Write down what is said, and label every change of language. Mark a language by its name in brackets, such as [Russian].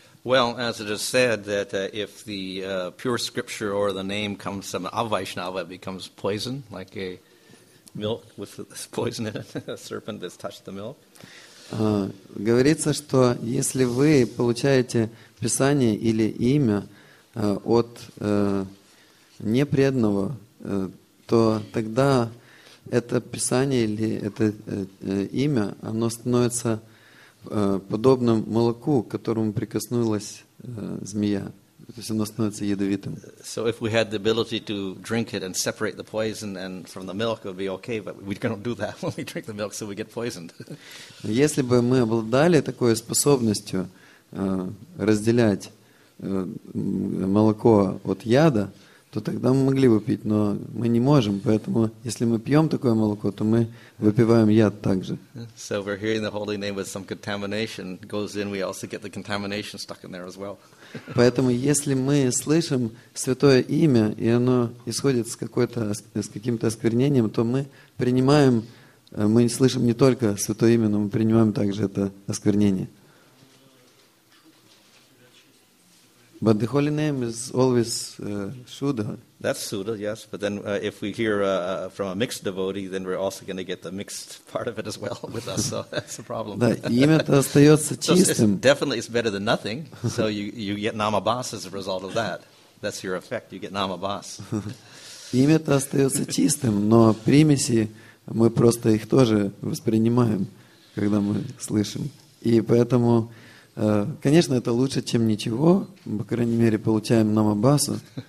[English] Well, as it is said, that if the pure scripture or the name comes from Avaishnava, it becomes poison, like a milk with poison in it, a serpent that's touched the milk. [Russian] Говорится, что если вы получаете Писание или имя от непреданного, то тогда это Писание или это имя, оно становится подобным молоку, к которому прикоснулась змея. То есть оно становится ядовитым. [English] So if we had the ability to drink it and separate the poison and from the milk, it would be okay, but we cannot do that when we drink the milk, so we get poisoned. [Russian] Если бы мы обладали такой способностью разделять молоко от яда, то тогда мы могли бы пить, но мы не можем. Поэтому, если мы пьем такое молоко, то мы выпиваем яд также. [English] So we're hearing the holy name with some contamination goes in, we also get the contamination stuck in there as well. [Russian] Поэтому, если мы слышим святое имя, и оно исходит с каким-то осквернением, то мы принимаем, мы слышим не только святое имя, но мы принимаем также это осквернение. [English] But the holy name is always Shuddha. That's Shuddha, yes. But then if we hear from a mixed devotee, then we're also going to get the mixed part of it as well with us. So that's a problem. [Russian] Да, имя-то остается чистым. [English] Definitely it's better than nothing. So you get namabhas as a result of that. That's your effect. You get namabhas. [Russian] Имя-то остается чистым, но примеси, мы просто их тоже воспринимаем, когда мы слышим. И поэтому... конечно, это лучше, чем ничего. По крайней мере, получаем намабасу.